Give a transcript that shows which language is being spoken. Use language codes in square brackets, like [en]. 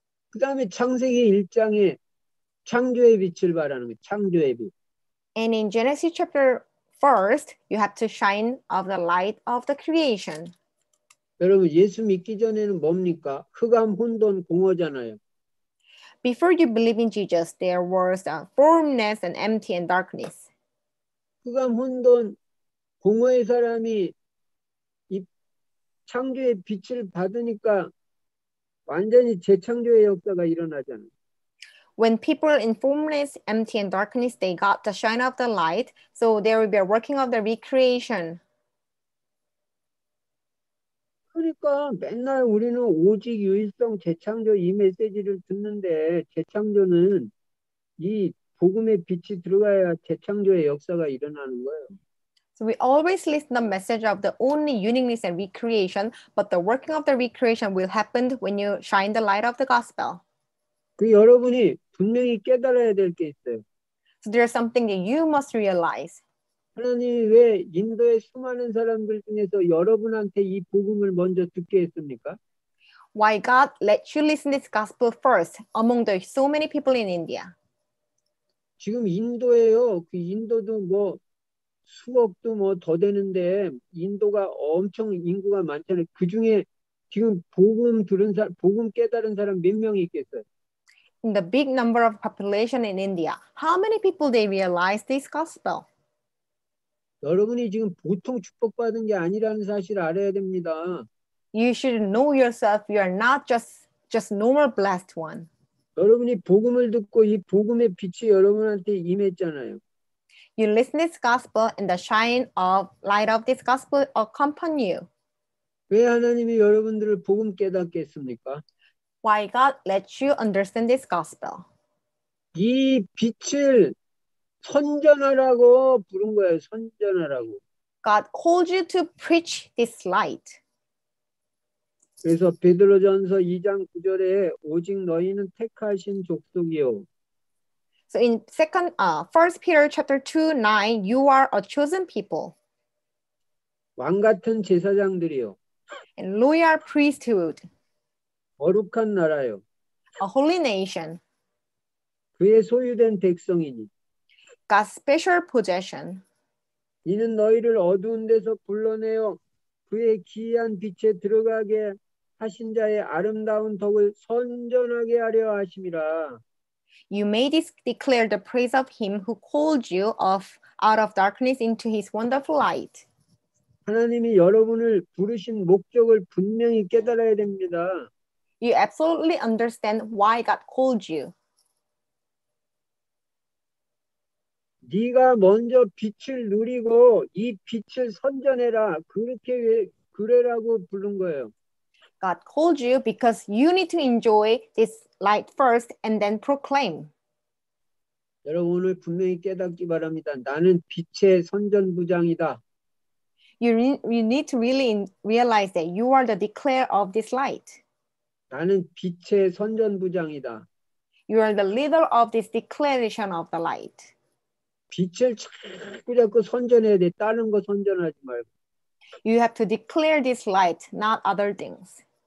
[ko] 그 다음에 창세기 1장에 창조의 빛을 발하는 거예요. 창조의 빛. [en] And in Genesis chapter 1, you have to shine of the light of the creation. [ko] 여러분, 예수 믿기 전에는 뭡니까? 흑암, 혼돈, 공허잖아요. [en] Before you believe in Jesus, there was a formless and empty and darkness. [ko] 흑암, 혼돈, 공허의 사람이 이 창조의 빛을 받으니까 완전히 재창조의 역사가 일어나잖아. [en] When people in formless, empty and darkness, they got the shine of the light, so there will be a working of the recreation. [ko] 그러니까 맨날 우리는 오직 유일성 재창조 이 메시지를 듣는데 재창조는 이 복음의 빛이 들어가야 재창조의 역사가 일어나는 거예요. [en] So we always listen the message of the only uniqueness and recreation, but the working of the recreation will happen when you shine the light of the gospel. [ko] 그 여러분이 분명히 깨달아야 될 게 있어요. [en] So there is something that you must realize. [ko] 하나님 왜 인도의 수많은 사람들 중에서 여러분한테 이 복음을 먼저 듣게 했습니까? [en] Why God let you listen this gospel first among the so many people in India? [ko] 지금 인도예요. 그 인도도 뭐 수억도 뭐 더 되는데 인도가 엄청 인구가 많잖아요. 그 중에 지금 복음 들은 사람, 복음 깨달은 사람 몇 명이 있겠어요? [en] In the big number of population in India, how many people they realize this gospel? [ko] 여러분이 지금 보통 축복받은 게 아니라는 사실을 알아야 됩니다. [en] You should know yourself. You are not just normal blessed one. [ko] 여러분이 복음을 듣고 이 복음의 빛이 여러분한테 임했잖아요. [en] You listen this gospel and the shine of light of this gospel accompany you. [ko] 왜 하나님이 여러분들을 복음 깨닫게 했습니까? [en] Why God let you understand this gospel? [ko] 이 빛을 선전하라고 부른 거예요. 선전하라고. [en] God called you to preach this light. [ko] 그래서 베드로전서 2장 9절에 오직 너희는 택하신 족속이요. [en] So in First Peter chapter 2, 9, you are a chosen people. [ko] 왕 같은 제사장들이요. [en] And royal priesthood. [ko] 거룩한 나라요. [en] A holy nation. [ko] 그의 소유된 백성이니. [en] God's special possession. [ko] 이는 너희를 어두운 데서 불러내어 그의 기이한 빛에 들어가게 하신 자의 아름다운 덕을 선전하게 하려 하심이라. [en] You may declare the praise of him who called you out of darkness into his wonderful light. [ko] 하나님이 여러분을 부르신 목적을 분명히 깨달아야 됩니다. [en] You absolutely understand why God called you. [ko] 네가 먼저 빛을 누리고 이 빛을 선전해라. 그렇게 왜, 그래라고 부른 거예요. [en] God called you because you need to enjoy this light first and then proclaim. [ko] 여러분 오늘 분명히 깨닫기 바랍니다. 나는 빛의 선전부장이다. [en] You need to really realize that you are the declarer of this light. [ko] 나는 빛의 선전부장이다. [en] You are the leader of this declaration of the light. [ko] 빛을 자꾸 선전해야 돼. 다른 거 선전하지 말고. [en] You have to declare this light, not other things.